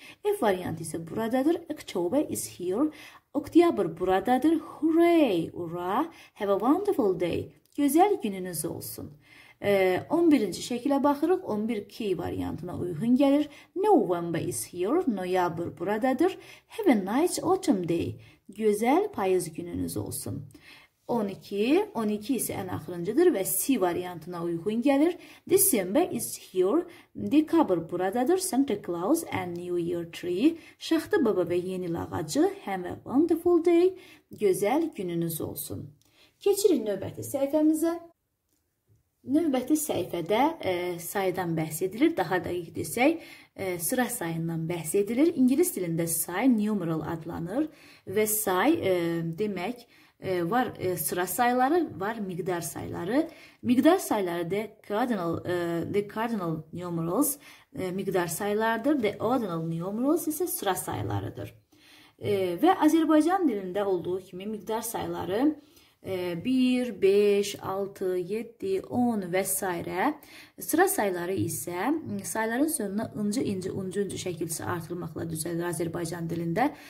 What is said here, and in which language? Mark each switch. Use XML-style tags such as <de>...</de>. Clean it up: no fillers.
<az>F variantı isə buradadır.</az> <en>October is here.</en> <az>Oktyabr buradadır.</az> <en>Hooray, ura. Have a wonderful day.</en> <az>Gözəl gününüz olsun. 11-ci şəkilə baxırıq. 11K variantına uyğun gəlir.</az> <en>November is here.</en> <az>Noyabr buradadır.</az> <en>Have a nice autumn day.</en> <az>Gözəl payız gününüz olsun. 12 isə ən axırıncıdır və C variantına uyğun gəlir.</az> <en>December is here.</en> <az>Dekabr buradadır.</az> <en>Santa Claus and New Year Tree.</en> <az>Şaxta baba və yeni ağacı.</az> <en>Have a wonderful day.</en> <az>Gözəl gününüz olsun. Keçirin növbəti səhifəmizə. Növbəti səhifədə sayıdan bəhs edilir. Daha dəqiq desək, sıra sayından bəhs edilir. İngilis dilində say numeral adlanır və say demək var sıra sayları, var miqdar sayları. Miqdar sayları</az> <en>the cardinal numerals</en> <az>miqdar saylardır.</az> <en>The ordinal numerals</en> <az>isə sıra saylarıdır. Və Azərbaycan dilində olduğu kimi miqdar sayları 1, 5, 6, 7, 10 və s. Sıra sayları isə sayların sonuna ıncı, inci, uncu, uncu şəkilsi artırmaqla düzəlir Azərbaycan dilində.</az>